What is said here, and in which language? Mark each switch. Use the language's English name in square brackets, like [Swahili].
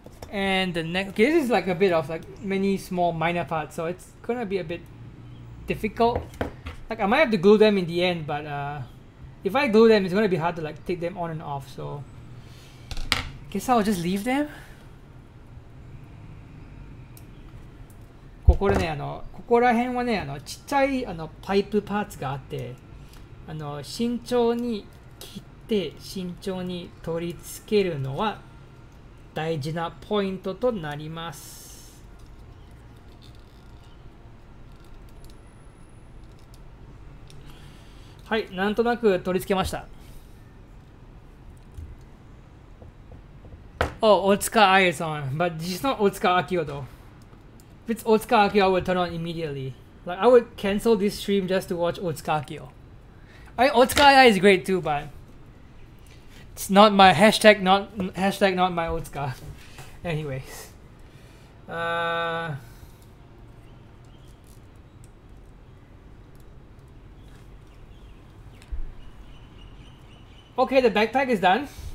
[English] And the next, okay, this is like a bit of like many small minor parts, so it's gonna be a bit difficult. Like, I might have to glue them in the end, but if I glue them, it's gonna be hard to like take them on and off, so guess I'll just leave them. [Japanese] これね、あのここら辺はね、あのちっちゃいあのパイプパーツがあって、あの慎重に切って慎重に取り付けるのは大事なポイントとなります。はい、なんとなく取り付けました。お、大塚愛さん、まあ実の大塚明夫と。 [English] If it's Otsuka Akio, I would turn on immediately. Like, I would cancel this stream just to watch Otsuka Akio. I mean, Otsuka Akio is great too, but it's not my hashtag not my Otsuka. Anyways. Okay, the backpack is done.